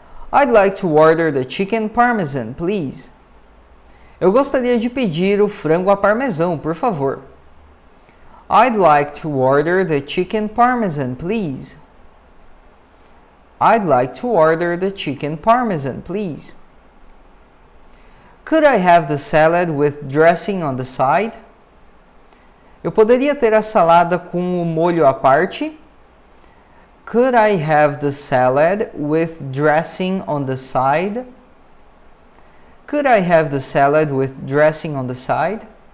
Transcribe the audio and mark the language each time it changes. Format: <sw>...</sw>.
<en>I'd like to order the chicken parmesan, please.</en> <pt>Eu gostaria de pedir o frango à parmesão, por favor.</pt> <en>I'd like to order the chicken parmesan, please. I'd like to order the chicken parmesan, please. Could I have the salad with dressing on the side?</en> <pt>Eu poderia ter a salada com o molho à parte?</pt> <en>Could I have the salad with dressing on the side? Could I have the salad with dressing on the side?</en>